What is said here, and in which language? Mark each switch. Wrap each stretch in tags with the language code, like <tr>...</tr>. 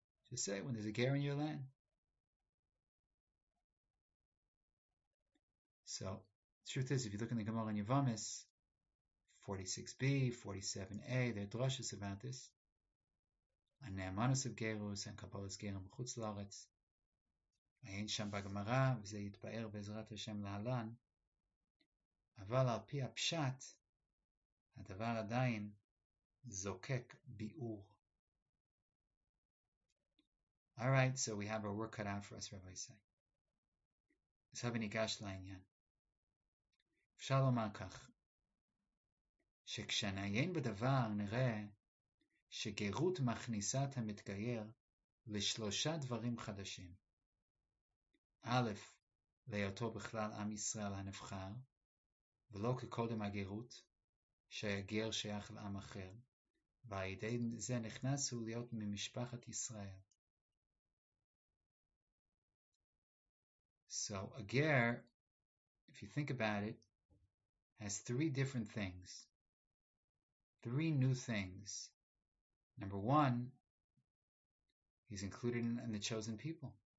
<en>Just say when there's a ger in your land. So, the truth is, if you look in the Gemara in Yevamos, 46b, 47a, there are drashas about this. A ne'amanus of gerus and kabbalas gerim chutz laretz.</en> <he>אין שם בגמרא, וזה יתבאר בעזרת השם להלן, אבל על פי הפשט, הדבר עדיין זוקק ביאור.</he> <en>All right, so we have our work cut out for us, Rabbi Yisai.</en> <he>אז הבה ניגש לעניין. אפשר לומר כך, שכשנעיין בדבר נראה שגירות מכניסה את המתגייר לשלושה דברים חדשים. א', להיותו בכלל עם ישראל הנבחר, ולא כקודם הגירות, שהגר שייך לעם אחר, והידי זה נכנס הוא להיות ממשפחת ישראל.</he> <en>So, a ger, if you think about it, has three different things. Three new things. Number one, he's included in the chosen people.</en>